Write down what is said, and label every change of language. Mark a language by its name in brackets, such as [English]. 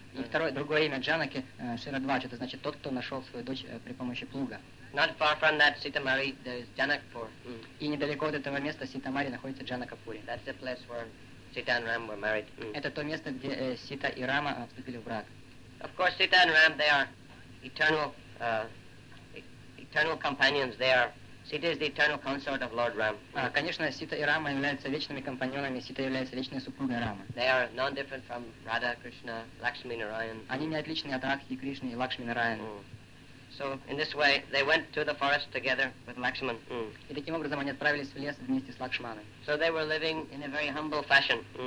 [Russian] И второе, другое имя Джанаки, Ширадвадж, это значит тот, кто нашел свою дочь при помощи плуга. [English] Not far from that Sitamari, there is Janakpur. [Russian] И недалеко от этого места Sitamari находится Джанакапури. [English] That's the place where Sita and Ram were married. [Russian] Это то место, где Сита и Рама вступили в брак. [English] Of course, Sita and Ram, they are eternal companions. They are Sita is the eternal consort of Lord Ram. [Russian] Конечно, Сита и Рама являются вечными компаньонами. Сита является вечной супругой Рамы. [English] They are non-different from Radha, Krishna, Lakshmi, Narayan. [Russian] Они не отличны от Радхи, Кришны и Лакшми, Нараяна. [English] So in this way, they went to the forest together with Lakshman. [Russian] И таким образом они отправились в лес вместе с Лакшманом. [English] So they were living in a very humble fashion.